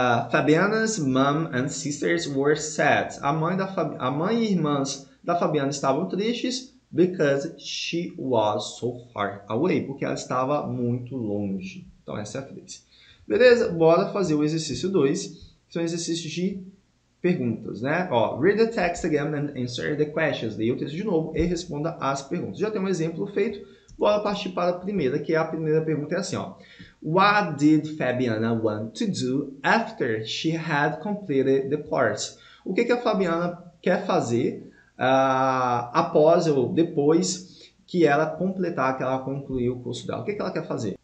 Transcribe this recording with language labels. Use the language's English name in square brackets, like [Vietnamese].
[English] Fabiana's mom and sisters were sad. [Portuguese] A mãe e irmãs da Fabiana estavam tristes [English] because she was so far away, [Portuguese] porque ela estava muito longe. Então, essa é a 3. Beleza? Bora fazer o exercício 2, que são exercícios de perguntas, né? [English] Ó, read the text again and answer the questions. [Portuguese] Leia o texto de novo e responda as perguntas. Já tem um exemplo feito. Bora partir para a primeira, que é a primeira pergunta, é assim, ó. [English] What did Fabiana want to do after she had completed the course? [Portuguese] O que a Fabiana quer fazer após ou depois que ela completar, que ela concluir o curso dela? O que ela quer fazer?